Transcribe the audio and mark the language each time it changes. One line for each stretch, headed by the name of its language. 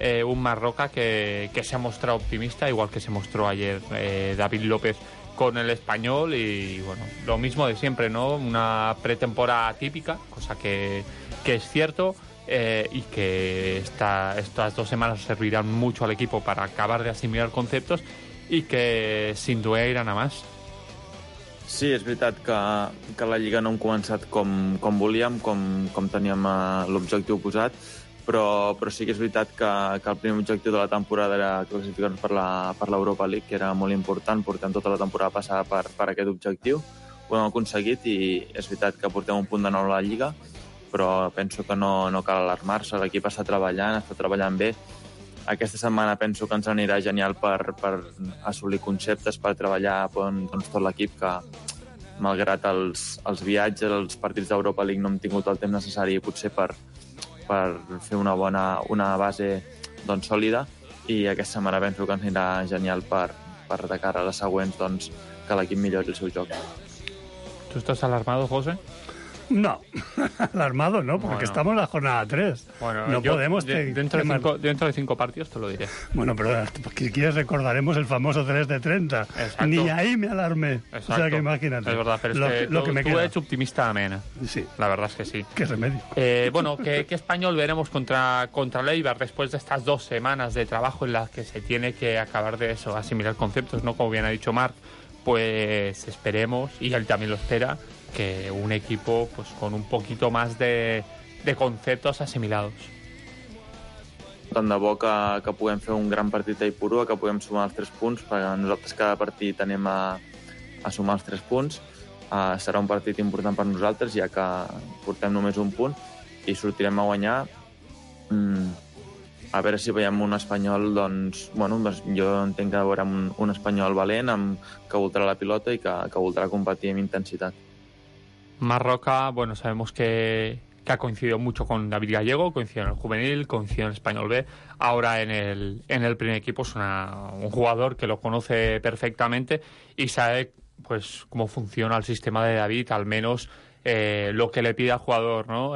Spanish: Un Marroca que se ha mostrado optimista, igual que se mostró ayer David López con el Español, y bueno, lo mismo de siempre, ¿no? Una pretemporada típica, cosa que es cierto, y que estas dos semanas servirán mucho al equipo para acabar de asimilar conceptos y que sin duda irán a más.
Catalan: Sí, és veritat que la Lliga no hem començat com volíem, com teníem l'objectiu posat, però sí que és veritat que el primer objectiu de la temporada era classificar-nos per l'Europa League, que era molt important, portem tota la temporada passada per aquest objectiu. Ho hem aconseguit i és veritat que portem un punt de nou a la Lliga, però penso que no cal alarmar-se. L'equip està treballant bé. Aquesta setmana penso que ens anirà genial per assolir conceptes, per treballar doncs, tot l'equip, que malgrat els viatges, els partits d'Europa League, no hem tingut el temps necessari potser per fer una base doncs, sòlida, i aquesta setmana penso que ens anirà genial per de cara a les següents, doncs, que l'equip millori el seu joc.
Spanish: ¿Tú estás alarmado, José? No, alarmado no, porque bueno, estamos en la jornada 3. Bueno, no podemos dentro de 5 partidos te lo diré. Bueno, pero si quieres recordaremos el famoso 3 de 30. Exacto. Ni ahí me alarmé. Exacto. O sea, que imagínate. Es verdad, pero tú eres optimista, Amena. Sí. La verdad es que sí. Qué remedio. Bueno, ¿qué Español veremos contra Eibar después de estas dos semanas de trabajo en las que se tiene que acabar de eso, asimilar conceptos, ¿no? Como bien ha dicho Marc, pues esperemos, y él también lo espera, que un equipo pues con un poquito más de conceptos asimilados.
Catalan: Tant de bo que puguem fer un gran partit a Ipurua, que puguem sumar els 3 punts, perquè nosaltres cada partit anem a sumar els 3 punts. Serà un partit important per nosaltres, ja que portem només un punt i sortirem a guanyar. A veure si veiem un Espanyol, doncs, bueno, jo entenc que veurem un Espanyol valent, que voltarà la pilota i que voltarà competir amb intensitat.
Spanish: Marroca, bueno, sabemos que ha coincidido mucho con David Gallego, coincidió en el juvenil, coincidió en el Español B, ahora en el primer equipo es un jugador que lo conoce perfectamente y sabe pues cómo funciona el sistema de David, al menos lo que le pide al jugador, ¿no?